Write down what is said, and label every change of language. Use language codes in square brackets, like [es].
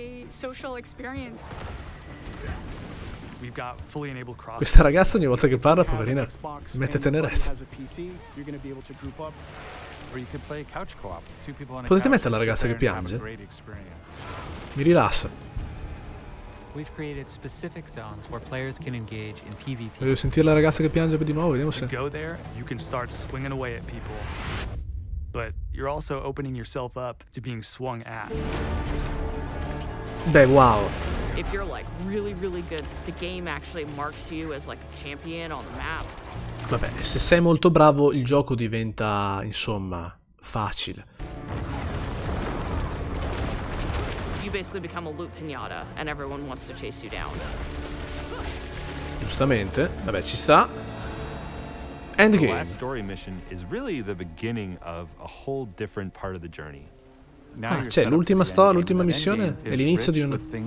[it] Questa ragazza ogni volta che parla, poverina, mette tenerezza. Potete mettere la ragazza che piange? Mi rilassa. Voglio sentire la ragazza che piange di nuovo, vediamo se. [en] Go there, you can start swinging away at people. But you're also opening yourself up to being swung at. Beh, wow. If you're like really really good, the game actually marks you as like a champion on the map. [it] Vabbè, se sei molto bravo, il gioco diventa, insomma, facile. [en] You basically become a loot pinata and everyone wants to chase you down. [it] Giustamente, vabbè, ci sta. [en] Endgame. The last story mission is really the beginning of a whole different part of the journey. [it] Ah, cioè, l'ultima storia, l'ultima missione è l'inizio di un...